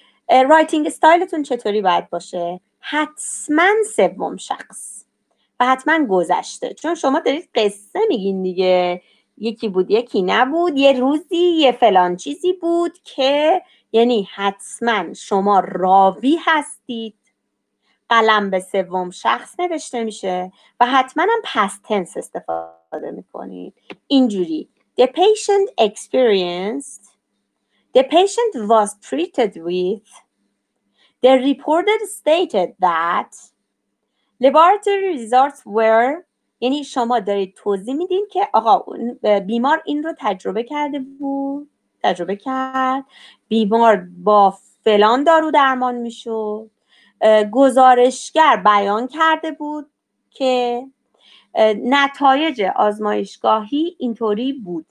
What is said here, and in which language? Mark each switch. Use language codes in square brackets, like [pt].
[fa] رایتینگ استایلتون چطوری باید باشه؟ حتما سوم شخص و حتما گذشته، چون شما دارید قصه میگین دیگه، یکی بود یکی نبود، یه روزی یه فلان چیزی بود که، یعنی حتما شما راوی هستید، قلم به سوم شخص نوشته میشه و حتما هم پست تنس استفاده میکنید. اینجوری: [en] The patient experienced, the patient was treated with, the reported stated that, laboratory results were. [fa] یعنی شما دارید توضیح میدین که آقا بیمار این رو تجربه کرده بود، تجربه کرد، بیمار با فلان دارو درمان میشد، گزارشگر بیان کرده بود که نتایج آزمایشگاهی اینطوری بود.